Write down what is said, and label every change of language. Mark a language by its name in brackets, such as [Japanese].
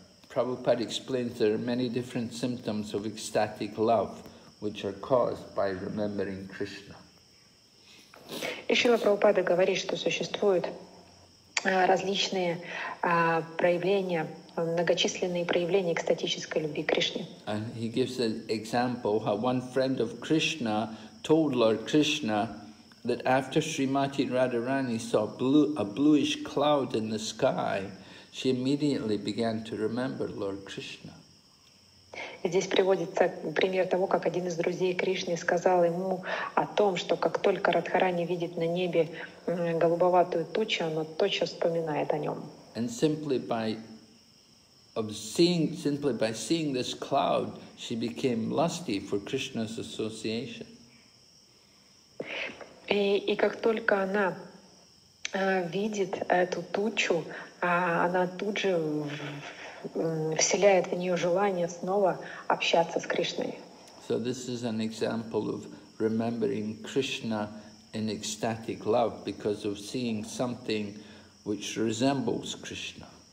[English] Prabhupada explains there are many different symptoms of ecstatic love which are caused by remembering Krishna. [Russian] И Шрила Прабхупада говорит, что существуют различные проявления, многочисленные проявления экстатической любви к Кришне. [English] And he gives an example how one friend of Krishna told Lord Krishna that after Srimati Radharani saw a bluish cloud in the sky, she immediately began to remember Lord Krishna. [Russian] Здесь приводится пример того, как один из друзей Кришны сказал ему о том, что как только Радхарани видит на небе голубоватую тучу, она тотчас вспоминает о нем. [English] And simply by seeing this cloud, she became lusty for Krishna's association. [Russian] И как только она видит эту тучу, она тут же вселяет в нее желание снова общаться с Кришной. [English] So this is an example of remembering Krishna in ecstatic love because of seeing something which resembles Krishna.